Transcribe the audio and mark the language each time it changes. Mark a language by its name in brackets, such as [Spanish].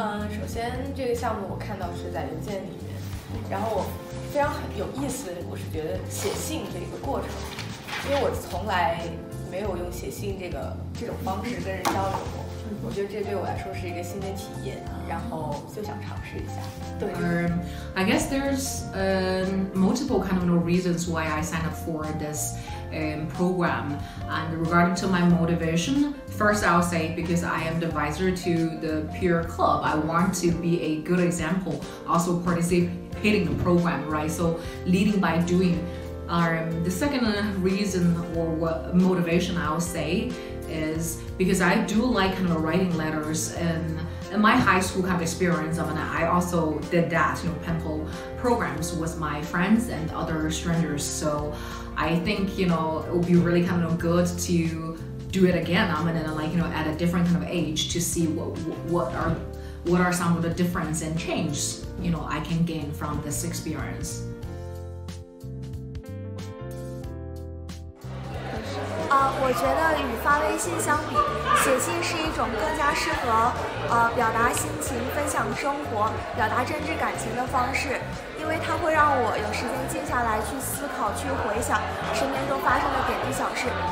[Chinese] 首先这个项目我看到是在邮件里面，然后我非常有意思，我是觉得写信这个过程，因为我从来没有用写信这种方式跟人交流过，我觉得这对我来说是一个新的体验，然后就想尝试一下。对。 [English] I guess there's multiple kind of reasons why I signed up for this program, and regarding to my motivation, first I'll say because I am the advisor to the peer club, I want to be a good example, also participating in the program, right? So leading by doing. The second reason or motivation I'll say is because I do like kind of writing letters, and in my high school kind of experience, I also did that, pen pal programs with my friends and other strangers. So I think, it would be really kind of good to do it again. At a different kind of age to see what are some of the difference and change, I can gain from this experience. [Chinese] 我觉得与发微信相比，写信是一种更加适合表达心情、分享生活、表达真挚感情的方式，因为它会让我有时间静下来去思考、去回想身边中发生的点滴小事。